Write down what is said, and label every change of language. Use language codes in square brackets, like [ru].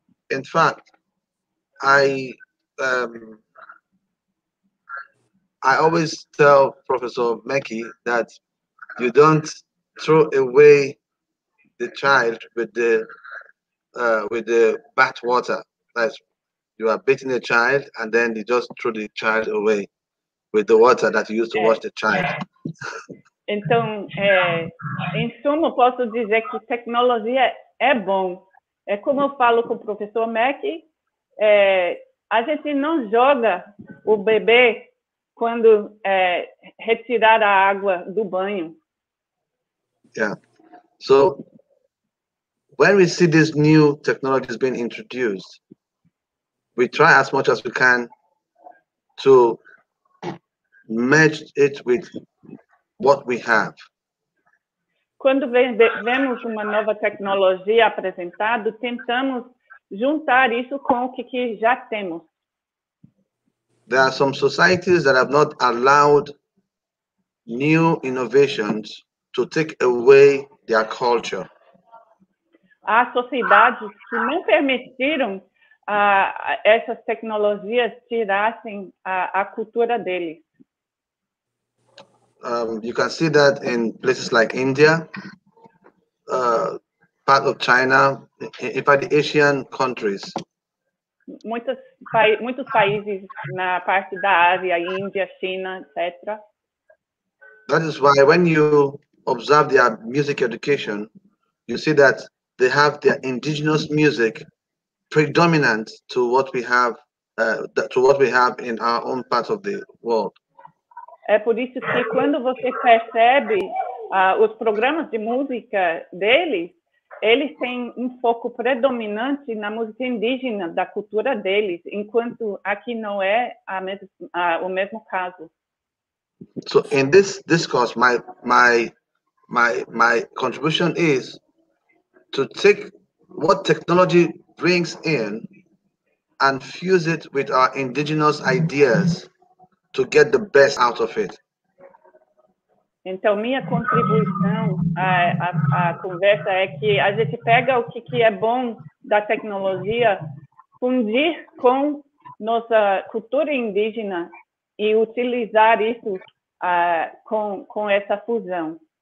[en] In fact, I always tell Professor Mackey that you don't throw away the child with the bath water. As you are beating a child and then you just throw the child away with the water that you used to wash the child. [pt] Então, em suma, posso dizer que tecnologia é bom. É como eu falo com o professor Mac, a gente não joga o bebê quando retirar a água do banho. [en] Yeah. So, when we see this new technology being introduced, we try as much as we can to match it with what we have. [pt] Quando vemos uma nova tecnologia apresentada, tentamos juntar isso com o que já temos. [en] There are some societies that have not allowed new innovations to take away their culture. [pt] Há sociedades que não permitiram essas tecnologias tirassem a cultura deles. [en] You can see that in places like India, part of China, in fact, the Asian countries. [pt] Muitos países na parte da Ásia, Índia, China, etc. [en] That is why when you observe their music education, you see that they have their indigenous music predominant to what we have in our own part of the world. [pt] É por isso que quando você percebe os programas de música deles, eles têm foco predominante na música indígena da cultura deles, enquanto aqui não é o mesmo caso. [en] So in this discourse, my contribution is to take what technology brings in and fuse it with our indigenous ideas to get the best out of it. [pt] Então, minha contribuição à conversa é que a gente pega o que é bom da tecnologia, fundir com nossa cultura indígena e utilizar isso com essa fusão.